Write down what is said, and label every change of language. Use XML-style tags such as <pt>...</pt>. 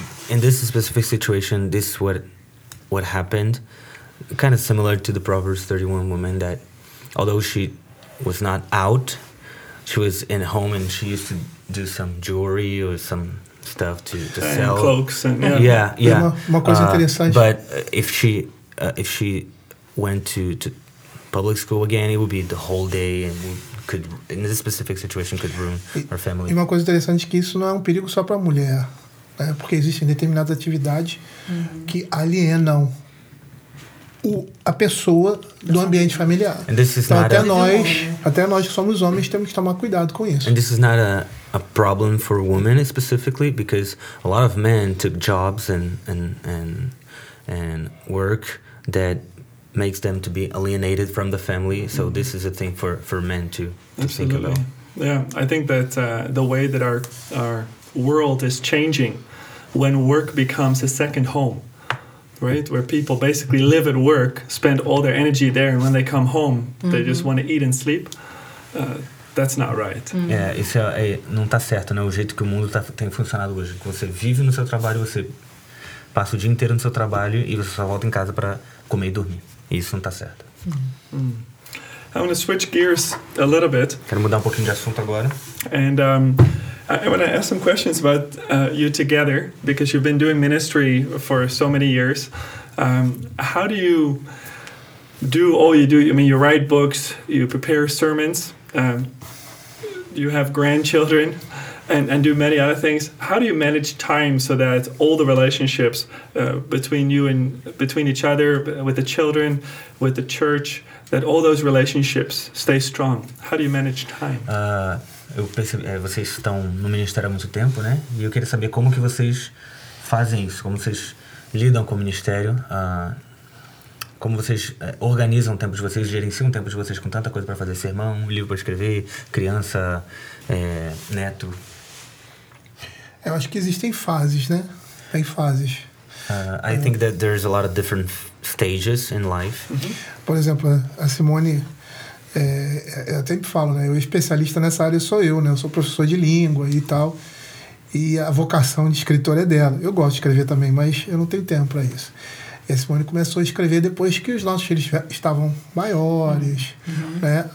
<en>In this specific situation, this is what happened, kind of similar to the Proverbs 31 woman, that although she was not out, she was in home and she used to do some jewelry or some stuff to sell. And cloaks. But if she went to public school again, it would be the whole day and could, in this specific situation, could ruin her family.</en> <pt>E uma coisa interessante é que isso não é perigo só para a mulher. É porque existem determinadas atividades que alienam a pessoa do ambiente familiar. Então até nós que somos homens temos que tomar cuidado com isso.</pt> <en>And this is not a problem for women specifically, because a lot of men took jobs and work that makes them to be alienated from the family. So this is a thing for men to Absolutely. Think about. Yeah, I think that the way that our world is changing, when work becomes a second home, right? Where people basically live at work, spend all their energy there, and when they come home, they just want to eat and sleep. That's not right. Mm-hmm.</en> <pt>Yeah, isso é não tá certo, né? O jeito que o mundo tem funcionado hoje. Você vive no seu trabalho, você passa o dia inteiro no seu trabalho, e você só volta em casa para comer e dormir. E isso não tá certo. Mm-hmm.</pt> <en>I'm going to switch gears a little bit.</en> <pt>Quero mudar um pouquinho de assunto agora.</pt> <en>And I want to ask some questions about you together, because you've been doing ministry for so many years. How do you do all you do? I mean, you write books, you prepare sermons, you have grandchildren, and do many other things. How do you manage time so that all the relationships between you and between each other, with the children, with the church, that all those relationships stay strong? How do you manage time?</en> <pt>Eu percebi, vocês estão no ministério há muito tempo, né? E eu queria saber como que vocês fazem isso, como vocês lidam com o ministério, como vocês organizam o tempo de vocês, gerenciam o tempo de vocês com tanta coisa para fazer, sermão, livro para escrever, criança, neto. Eu acho que existem fases, né? Tem fases.</pt> <en>I think that there's a lot of different stages in life.</en> <pt>Uhum. Por exemplo, a Simone... eu até me falo, né? O especialista nessa área sou eu, né? Eu sou professor de língua e tal. E a vocação de escritor é dela. Eu gosto de escrever também, mas eu não tenho tempo para isso. E a Simone começou a escrever depois que os nossos filhos estavam maiores. Uhum. Né?</pt>